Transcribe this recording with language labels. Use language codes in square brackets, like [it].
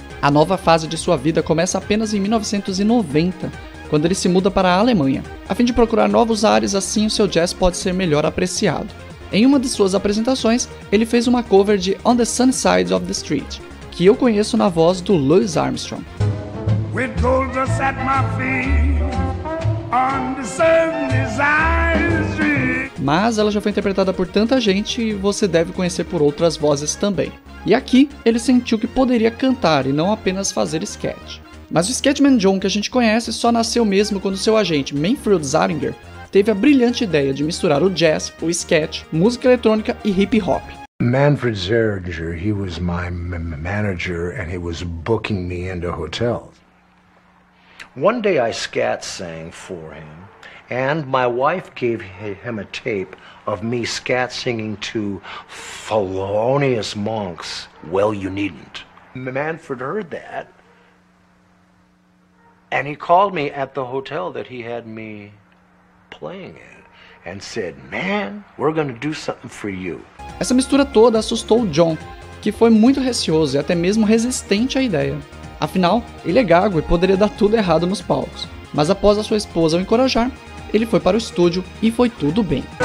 [pt] A nova fase de sua vida começa apenas em 1990, quando ele se muda para a Alemanha, a fim de procurar novos ares, assim o seu jazz pode ser melhor apreciado. Em uma de suas apresentações, ele fez uma cover de On the Sunny Side of the Street, que eu conheço na voz do Louis Armstrong. [en] With gold dust at my feet, on the sunny side of the street. [pt] Mas ela já foi interpretada por tanta gente e você deve conhecer por outras vozes também. E aqui, ele sentiu que poderia cantar e não apenas fazer sketch. Mas o Scatman John que a gente conhece só nasceu mesmo quando seu agente, Manfred Zaringer, teve a brilhante ideia de misturar o jazz, o sketch, música eletrônica e hip hop. [en] Manfred Zaringer, he was my manager and he was booking me into hotels. One day I scat sang for him and my wife gave him a tape of me scat singing to Thelonious Monk's Well You Needn't. Manfred heard that. And he called me at the hotel that he had me playing in and said, "Man, we're gonna do something for you." [pt] Essa mistura toda assustou o John, que foi muito receoso e até mesmo resistente à ideia. Afinal, ele é gago e poderia dar tudo errado nos palcos. Mas após a sua esposa o encorajar, ele foi para o estúdio e foi tudo bem.